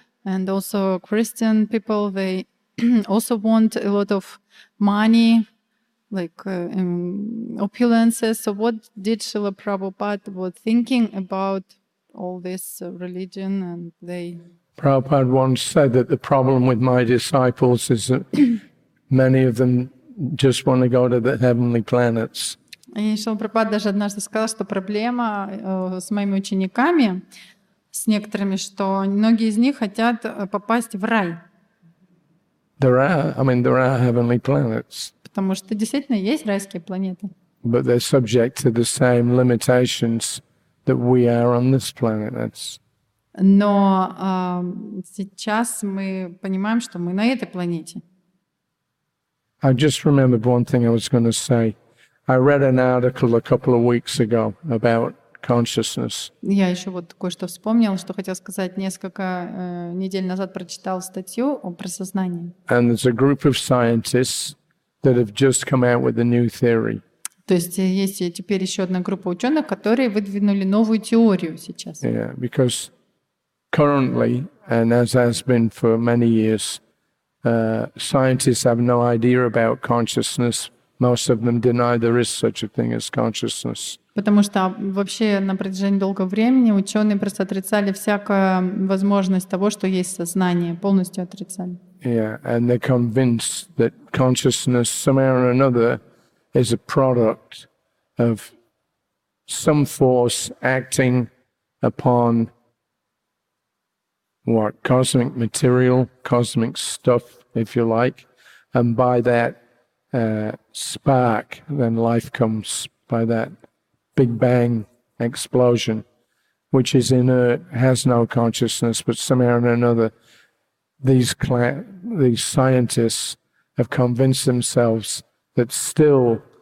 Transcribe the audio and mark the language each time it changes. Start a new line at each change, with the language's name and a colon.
English: And also Christian people, they also want a lot of money, like opulences. So what did Srila Prabhupada was thinking about all this religion and they... Prabhupada once said that the problem with my disciples is that many of them just want to go to the heavenly planets.
Russian: И Шрила Прабхупада даже однажды сказал, что проблема с моими учениками с некоторыми, что многие из них хотят попасть в рай.
English: There are heavenly planets.
Russian: Потому что действительно есть райские планеты.
English: But they're subject to the same limitations that we are on this planet.
Russian: Но сейчас мы понимаем, что мы на этой планете.
English: I just remembered one thing I was going to say. I read an article a couple of weeks ago about consciousness.
Russian: Я еще вот кое-что вспомнил, что хотел сказать несколько недель назад прочитал статью про сознание.
English: And there's a group of scientists that have just come out with a new theory.
Russian: То есть есть теперь еще одна группа ученых, которые выдвинули новую теорию сейчас.
English: Yeah, because currently, and as has been for many years, scientists have no idea about consciousness. Most of them deny there is such a thing as consciousness.
Russian: Потому что вообще на протяжении долгого времени ученые просто отрицали всякую возможность того, что есть сознание, полностью отрицали.
English: Yeah, and they're convinced that consciousness somehow or another is a product of some force acting upon what cosmic material, cosmic stuff, if you like, and by that spark, then life comes by that big bang explosion, which is inert, has no consciousness, but somehow or another, these scientists have convinced themselves that still